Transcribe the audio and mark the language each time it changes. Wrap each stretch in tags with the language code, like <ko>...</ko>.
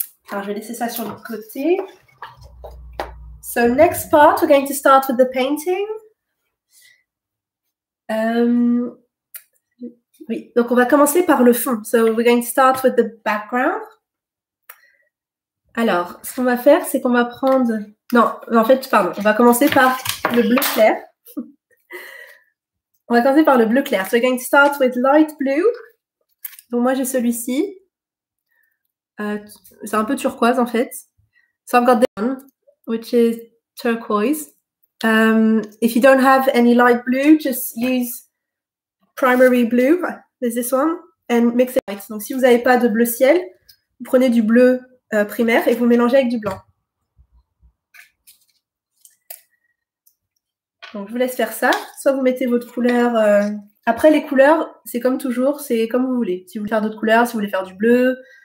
<fr>Alors, je vais laisser ça sur le côté.</fr> <en>So, next part, we're going to start with the painting.</en> <fr>Oui, donc on va commencer par le fond.</fr> <en>So, we're going to start with the background.</en> <fr>Alors, ce qu'on va faire, c'est qu'on va prendre... Non, en fait, pardon, on va commencer par le bleu clair. On va commencer par le bleu clair.</fr> <en>So, we're going to start with light blue.</en> <fr>Donc, moi, j'ai celui-ci. C'est un peu turquoise en fait.</fr> <en>So I've got this one, which is turquoise. If you don't have any light blue, just use primary blue. There's this one and mix it white.</en> <fr>Donc si vous n'avez pas de bleu ciel, vous prenez du bleu primaire et vous mélangez avec du blanc. Donc je vous laisse faire ça. Soit vous mettez votre couleur. Après les couleurs, c'est comme toujours, c'est comme vous voulez. Si vous voulez faire d'autres couleurs, si vous voulez faire du bleu.</fr>